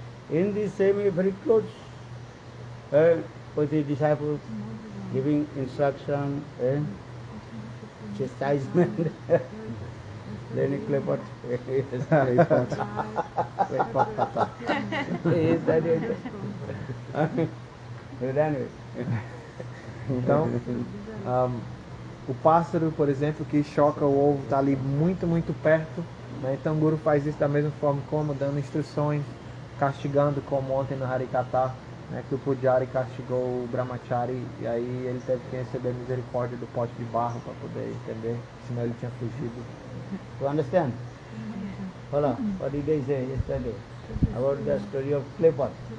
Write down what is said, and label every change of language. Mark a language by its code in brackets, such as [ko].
[en] In the same very close, with the disciples giving instruction and chastisement, then he clapped. [pt] Então, o pássaro, por exemplo, que choca o ovo, está ali muito, muito perto, né? Então o Guru faz isso da mesma forma como dando instruções, castigando, como ontem no Harikata, né? Que o Pujari castigou o Brahmachari e aí ele teve que receber a misericórdia do pote de barro para poder entender, senão ele tinha fugido. [en] You understand? Hola, what did they say yesterday about the story of Clipper?